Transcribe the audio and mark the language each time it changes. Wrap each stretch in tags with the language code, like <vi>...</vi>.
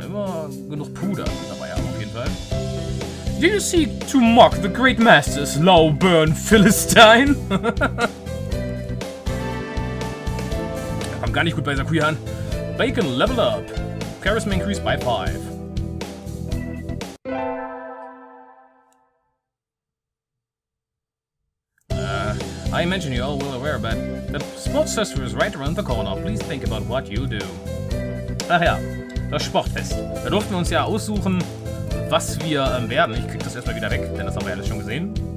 <de>Immer genug Puder dabei haben, auf jeden Fall.</de> <en>Do you seek to mock the great masters, Lowburn Philistine?</en> <de>Da kam gar nicht gut bei dieser Kuh an.</de> <en>Bacon, level up. Charisma increased by 5. I imagine you're all well aware, but the sports festival is right around the corner. Please think about what you do.</en> <de>Ach ja, das Sportfest. Da durften wir uns ja aussuchen, was wir werden. Ich krieg das erstmal wieder weg, denn das haben wir ja alles schon gesehen.</de>